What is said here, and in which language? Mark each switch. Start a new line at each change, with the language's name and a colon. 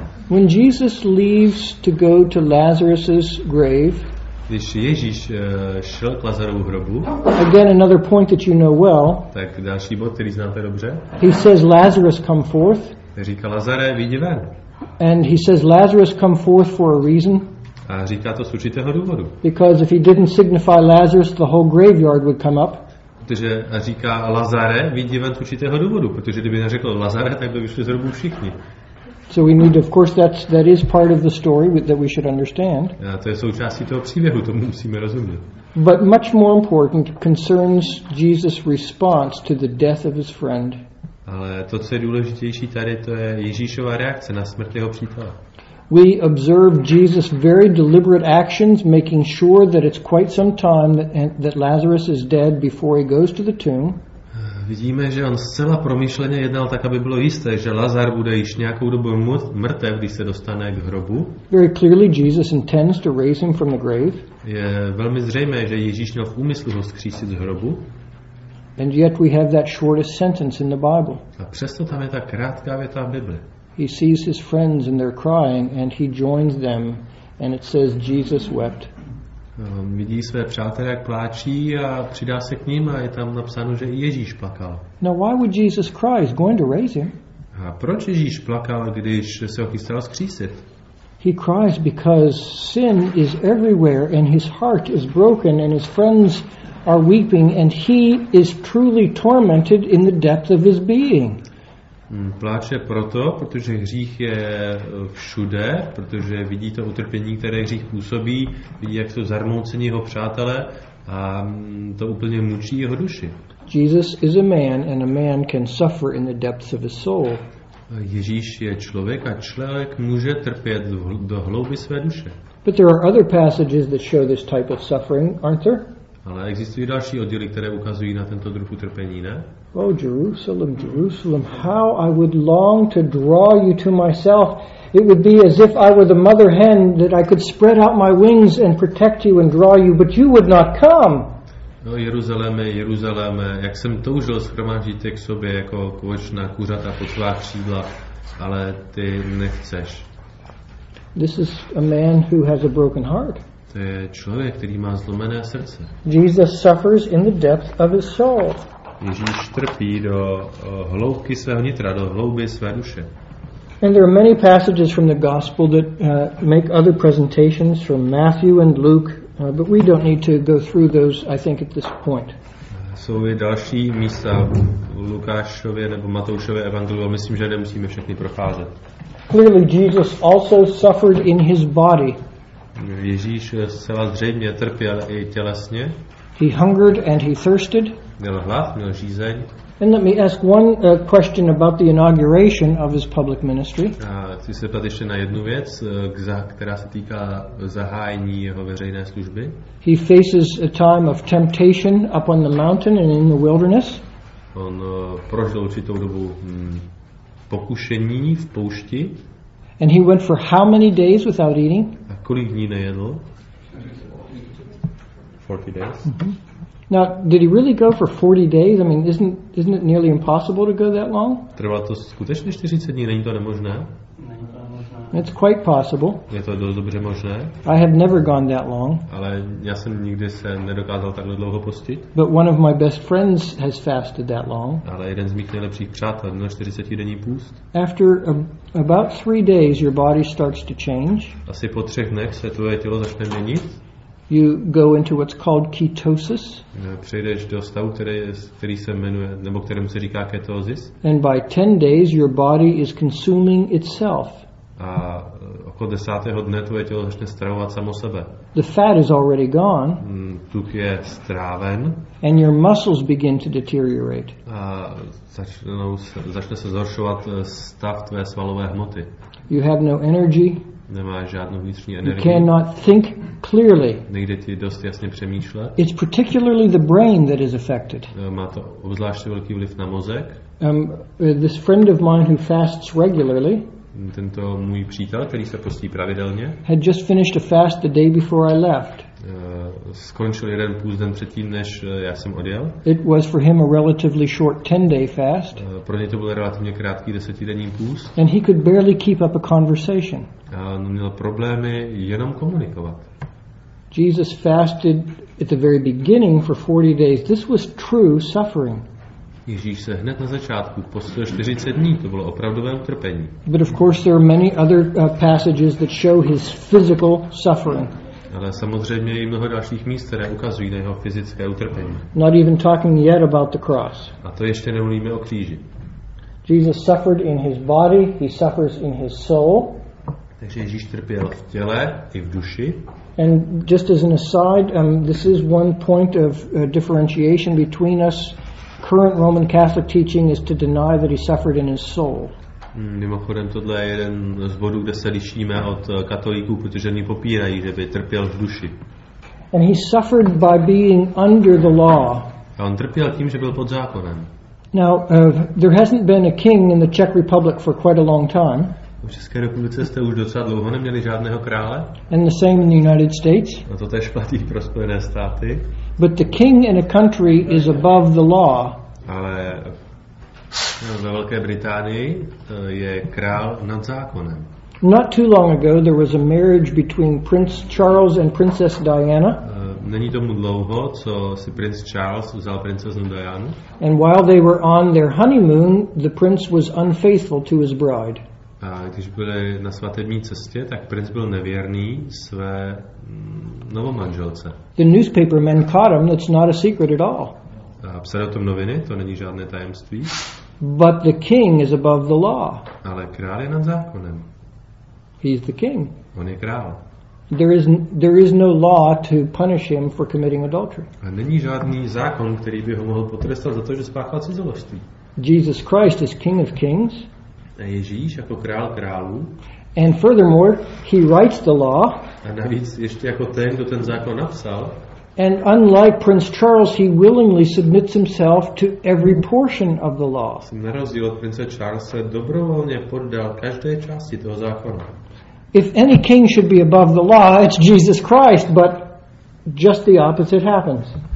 English: When Jesus leaves to go to Lazarus's grave.
Czech: Když Ježíš šel k Lazarovu hrobu.
English: Again another point that you know well.
Czech: Tak další bod, který znáte dobře.
English: He says, Lazarus, come forth.
Czech: Říká, Lazare, vyjdi ven.
English: And he says, Lazarus, come forth for a reason.
Czech: A říká to z určitého důvodu.
English: Because if he didn't signify Lazarus, the whole graveyard would come up.
Czech: Protože říká Lazare, vyjdi ven z určitého důvodu, protože kdyby neřekl Lazare, tak by vyšli z hrobu všichni.
English: So we need, of course, that is part of the story that we should understand.
Czech: A to je součástí toho příběhu, to musíme rozumět.
English: But much more important concerns Jesus' response to the death of his friend.
Czech: Ale to, co je důležitější tady, to je Ježíšova reakce na smrt jeho přítele.
English: We observe Jesus' very deliberate actions, making sure that it's quite some time that Lazarus is dead before he goes to the tomb.
Czech: Vidíme, že on zcela promyšleně jednal tak, aby bylo jisté, že Lazar bude již nějakou dobu mrtev, když se dostane k hrobu.
English: Very clearly Jesus intends to raise him from the grave.
Czech: Je velmi zřejmé, že Ježíš měl v úmyslu ho vzkřísit z hrobu.
English: And yet we have that shortest sentence in the Bible.
Czech: A přesto tam je ta krátká věta v Bibli.
English: He sees his friends and they're crying and he joins them and it says Jesus wept.
Czech: Vidí své přátelé, jak pláčí a přidá se k ním a je tam napsáno, že i Ježíš plakal.
English: Now why would Jesus cry? He's going to raise him.
Czech: A proč Ježíš plakal, když se ho chystal vzkřísit?
English: He cries because sin is everywhere and his heart is broken and his friends are weeping and he is truly tormented in the depth of his being.
Czech: Pláče proto, protože hřích je všude, protože vidí to utrpení, které hřích působí, vidí, jak jsou zarmouceni jeho přátelé a to úplně mučí jeho duši.
English: Jesus is a man and a man can suffer in the depths of his soul.
Czech: Ježíš je člověk a člověk může trpět do hlouby své duše.
English: But there are other passages that show this type of suffering, aren't there?
Czech: Ale existují další oddíly, které ukazují na tento druh utrpení, ne?
English: Oh, Jerusalem, Jerusalem, how I would long to draw you to myself. It would be as if I were the mother hen that I could spread out my wings and protect you and draw you, but you would not come.
Czech: No, Jeruzaléme, Jeruzaléme, jak jsem toužil shromáždit tě k sobě jako kočná kuřata pod tvá křídla, ale ty nechceš.
English: This is a man who has a broken heart.
Czech: To je člověk, který má zlomené srdce.
English: Jesus suffers in the depth of his soul.
Czech: Ježíš trpí do hloubky svého nitra, do hlouby své duše.
English: And there are many passages from the gospel that make other presentations from Matthew and Luke, but we don't need to go through those, I think, at this point.
Czech: Jsou i další místa v Lukášově nebo Matoušově evangeliu, myslím, že nemusíme všechny procházet.
English: Clearly Jesus also suffered in his body.
Czech: Ježíš zcela zřejmě trpěl i tělesně.
English: He hungered and he thirsted.
Czech: Měl hlad, měl žízeň.
English: And let me ask one question about the inauguration of his public ministry.
Czech: Chci se ptát ještě na jednu věc, která se týká zahájení jeho veřejné služby.
English: He faces a time of temptation up on the mountain and in the wilderness.
Czech: On prožil určitou dobu pokušení v poušti.
English: And he went for how many days without eating?
Czech: A kolik dní nejedl?
English: 40 days. Mm-hmm. Now, did he really go for 40 days? I mean, isn't it nearly impossible to go that long?
Czech: Trvalo to skutečně 40 dní, není to nemožné?
English: It's quite possible.
Czech: Je to dost dobře možné.
English: I have never gone that long.
Czech: Ale já jsem nikdy se nedokázal takhle dlouho postit.
English: But one of my best friends has fasted that long.
Czech: Ale jeden z mých nejlepších přátel měl 40denní půst.
English: After about 3 days your body starts to change.
Czech: Asi po 3 dnech se tvoje tělo začne měnit.
English: You go into what's called ketosis.
Czech: Přejdeš do stavu, který se jmenuje, nebo kterému se říká ketosis.
English: And by 10 days your body is consuming itself.
Czech: A okolo 10. dne tvoje tělo začne stravovat samo sebe.
English: The fat is already gone.
Czech: Tuk je stráven.
English: And your muscles begin to deteriorate.
Czech: A začne se zhoršovat stav tvé svalové hmoty.
English: You have no energy.
Czech: Nemáš žádnou vnitřní energii.
English: You cannot think clearly.
Czech: Nejde ti dost jasně přemýšlet.
English: It's particularly the brain that is affected.
Czech: Má to obzvláště velký vliv na mozek.
English: This friend of mine who fasts regularly.
Czech: Tento můj přítel, který se postí pravidelně.
English: Had just finished a fast the day before I left.
Czech: Skončil jeden půst den předtím, než já jsem odjel.
English: It was for him a relatively short 10-day fast.
Czech: Pro něj to byl relativně krátký 10-denní půst.
English: And he could barely keep up a conversation.
Czech: Měl problémy jenom komunikovat.
English: Jesus fasted at the very beginning for 40 days. This was true suffering.
Czech: Ježíš se hned na začátku postil 40 dní, to bylo opravdové utrpení.
English: But of course there are many other passages that show his physical suffering.
Czech: Ale samozřejmě i mnoho dalších míst, které ukazují na jeho fyzické utrpení.
English: Not even talking yet about the cross.
Czech: A to ještě nemluvíme o kříži.
English: Jesus suffered in his body, he suffers in his soul.
Czech: Takže Ježíš trpěl v těle i v duši.
English: And just as an aside, this is one point of differentiation between us. Current Roman Catholic teaching is to deny that he suffered in his soul.
Czech: Mimochodem, tohle je jeden z bodů, kde se lišíme od katolíků, protože oni popírají, že by trpěl v duši.
English: And he suffered by being under the law.
Czech: A on trpěl tím, že byl pod zákonem.
English: Now, there hasn't been a king in the Czech Republic for quite a long time.
Czech: V České republice jste už docela dlouho neměli žádného krále.
English: And the same in the United States.
Czech: A to též platí pro Spojené státy.
English: But the king in a country is above the law.
Czech: Ale ve Velké Británii je král nad zákonem.
English: Not too long ago there was a marriage between Prince Charles and Princess Diana.
Czech: Není tomu dlouho, co si Prince Charles vzal princeznu Dianu.
English: And while they were on their honeymoon, the prince was unfaithful to his bride.
Czech: A když byli na svatební cestě, tak princ byl nevěrný své novomanželce.
English: The newspaper men caught him. That's not a secret at all.
Czech: A psali o tom noviny, to není žádné tajemství.
English: But the king is above the law.
Czech: Ale král je nad zákonem.
English: He's the king.
Czech: On je král.
English: There is no law to punish him for committing adultery.
Czech: A není žádný zákon, který by ho mohl potrestat za to, že spáchal cizoložství.
English: Jesus Christ is King of Kings.
Czech: A Ježíš jako král králů.
English: And furthermore, he writes the law.
Czech: A navíc ještě jako ten, kdo ten zákon napsal.
English: And unlike Prince Charles, he willingly submits himself to every portion of the law.
Czech: Na rozdíl od prince Charlesa dobrovolně poddal každé části toho zákona.
English: If any king should be above the law, it's Jesus Christ, but just the opposite happens.